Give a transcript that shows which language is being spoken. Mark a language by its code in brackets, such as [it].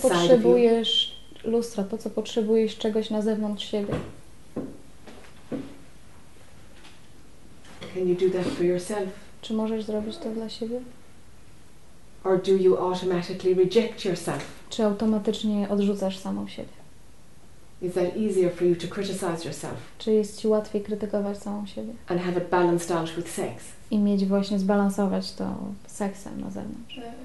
[pl] Po co potrzebujesz lustra? Po co potrzebujesz czegoś na zewnątrz siebie? [en] Can you do that for yourself? [pl] Czy możesz zrobić to dla siebie? [en] Or do you automatically reject yourself? [pl] Czy automatycznie odrzucasz samą siebie? [en] Is that easier for you to criticize yourself? [pl] Czy jest ci łatwiej krytykować samą siebie? [en] And have it balanced out with sex? [pl] I mieć właśnie zbalansować to seksem na zewnątrz.